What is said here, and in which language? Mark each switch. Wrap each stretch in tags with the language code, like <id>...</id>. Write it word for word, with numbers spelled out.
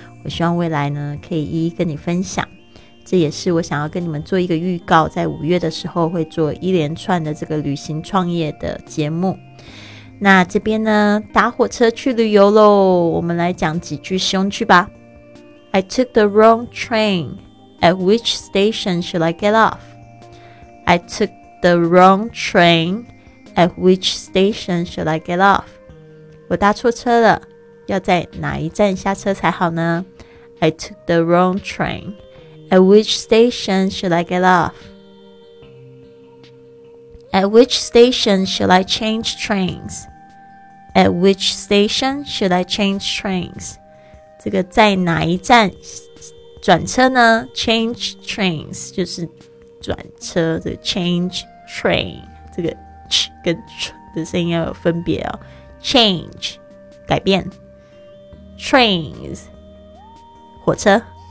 <zh>我希望未来呢可以一一跟你分享，这也是我想要跟你们做一个预告，在五月的时候会做一连串的这个旅行创业的节目。那这边呢，搭火车去旅游咯，我们来讲几句实用句吧。</zh> <en>I took the wrong train. At which station should I get off? I took the wrong train. At which station should I get off?</en> <zh>我搭错车了，要在哪一站下车才好呢？</zh> <en>I took the wrong train. At which station should I get off? At which station should I change trains? At which station should I change trains?</en> <zh>这个在哪一站转车呢？</zh> <en>Change trains</en> <zh>就是转车，这个 change train 这个 ch 跟 ch 的声音要有分别哦。 Change 改变。Trains 火车。</zh>